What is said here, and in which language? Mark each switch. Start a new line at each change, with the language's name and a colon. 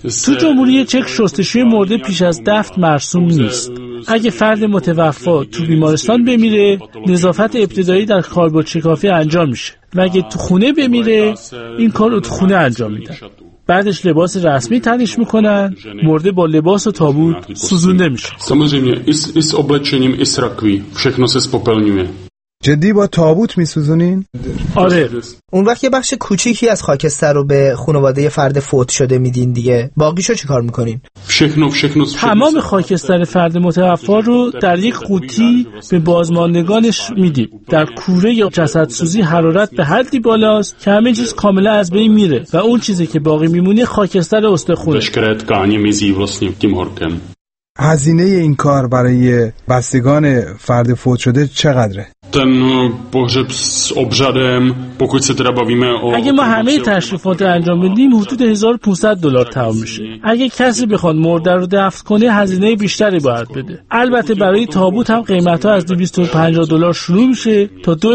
Persian: تو جمهوری چک شستشوی مرده پیش از دفن مرسوم نیست. اگه فرد متوفا تو بیمارستان بمیره، نظافت ابتدایی در کاربرد چکافی انجام میشه. و اگه تو خونه بمیره، این کار رو تو خونه انجام میدن. بعدش لباس رسمی تنش میکنن، مرده با لباس و تابوت سوزونده میشه.
Czech: Samozřejmě i s oblečením i s rakví. Všechno se spopelňuje.
Persian: جدی با تابوت می سوزونین؟ آره. اون وقت یه بخش کوچیکی از خاکستر رو به خانواده فرد فوت شده میدین دیگه. باقیشو چیکار میکنین؟ شکنو تمام خاکستر فرد متوفا رو در یک قوطی به بازماندگانش میدیم. در کوره یا جسد سوزی حرارت به حدی بالاست که همه چیز کاملا از بین میره و اون چیزی که باقی میمونه خاکستر استخونه. تشکرت کانی میزی واسنی تیم هورکم. هزینه این کار برای بستگان فرد فوت شده چقدره؟
Czech: ten pohřeb s obřadem, pokud se teda bavíme o...
Persian: اگه ما همه تشریفات رو انجام بدیم، حدود $1,500 دلار تمام میشه. اگه کسی بخواد مرده رو دفن کنه، هزینه بیشتری باید بده. البته برای تابوت هم قیمت‌ها از $250 شروع میشه تا